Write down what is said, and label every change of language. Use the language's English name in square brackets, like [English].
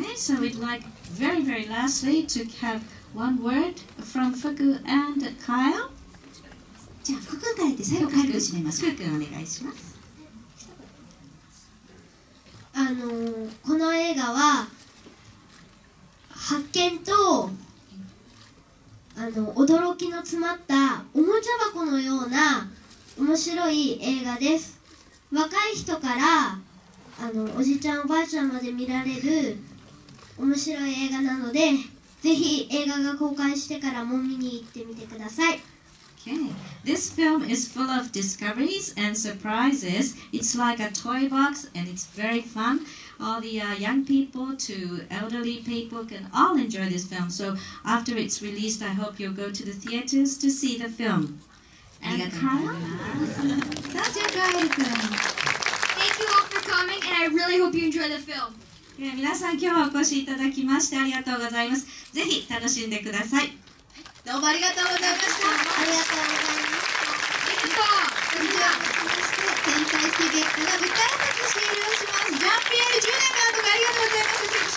[English] To have one word from Fuku and Kyle. [Japanese] じゃあ福君からで最後カイルを締めます。福君お願いします。この映画は発見と驚きの詰まったおもちゃ箱のような面白い映画です。若い人からおじちゃんおばあちゃんまで見られる面白い映画なので。ぜひ映画が公開してからも見に行ってみてください。 [English] Okay. This film is full of discoveries and surprises. It's like a toy box and it's very fun. All the young people to elderly people can all enjoy this film. So after it's released, I hope you'll go to the theaters to see the film. [Japanese] ありがとうございます。さあ、じゃあ Kyle くん。 [English] Thank you all for coming, and I really hope you enjoy the film. [Japanese] 皆さん今日はお越しいただきましてありがとうございます。ぜひ楽しんでください。どうもありがとうございました。ありがとうございました。それでは、そして天才スケゲッタが舞台挨拶終了します。ジャンピエール10年間とかありがとうございます。